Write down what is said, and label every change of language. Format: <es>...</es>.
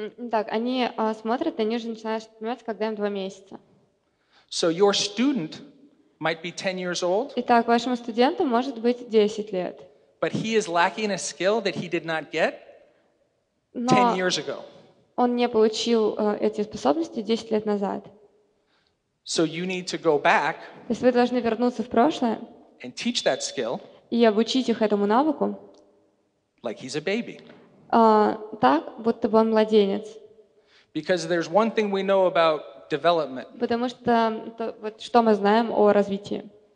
<ru>Так, они смотрят, они уже начинают понимать, когда им 2 месяца.</ru> <en>So your student might be 10 years old.</en> <ru>Итак, вашему студенту может быть 10 лет.</ru> <en>But he is lacking a skill that he did not get 10 years ago.</en> <ru>Он не получил эти способности 10 лет назад.</ru> <en>So you need to go back.</en> <ru>То есть вы должны вернуться в прошлое.</ru> <en>And teach that skill.</en> <ru>И обучить их этому навыку.</ru> <en>Like he's a baby.</en> <ru>Так, будто бы он младенец.</ru> <en>Because there's one thing we know about development.</en> <ru>Потому что вот что мы знаем о развитии.</ru>